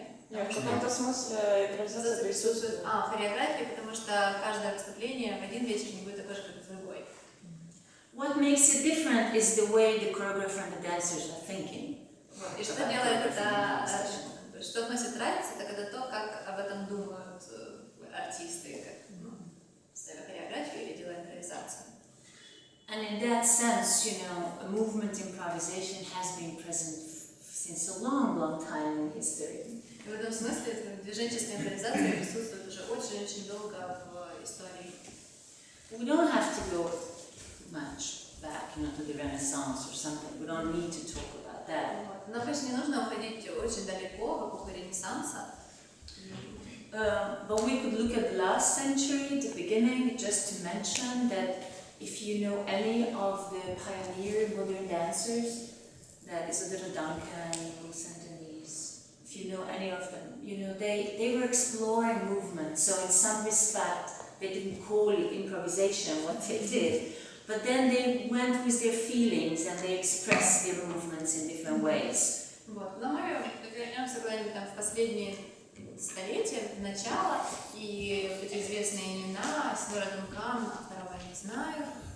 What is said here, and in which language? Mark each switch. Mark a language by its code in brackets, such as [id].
[ru] Нет, в каком-то смысле импровизация присутствует. А, в хореографии, потому что каждое выступление в один вечер не будет такое же, как в другой. [en] What makes it different is the way the choreographer and the dancers are thinking. [ru] И что делает это, что вносит разницу, так это то, как об этом думают артисты, как ставят хореографию или делают импровизацию. [en] And in that sense, you know, a movement improvisation has been present since a long, long time in history. [ru] В этом смысле движенческая импровизация присутствует уже очень-очень долго в истории. [en] We don't have to go much back, you know, to the Renaissance or something. We don't need to talk about that. [ru] Нам почти не нужно уходить очень далеко в эпоху Ренессанса. [en] But we could look at the last century, the beginning, just to mention that if you know any of the pioneer modern dancers, that is Isadora Duncan, Wilson, if you know any of them, you know, they were exploring movement, so in some respect they didn't call it improvisation what they did, but then they went with their feelings and they expressed their movements in different ways. [ru] Вот, но мы вернемся куда-нибудь там в последние столетия, в начало, и эти известные имена, Эстер Гал, второго не знаю.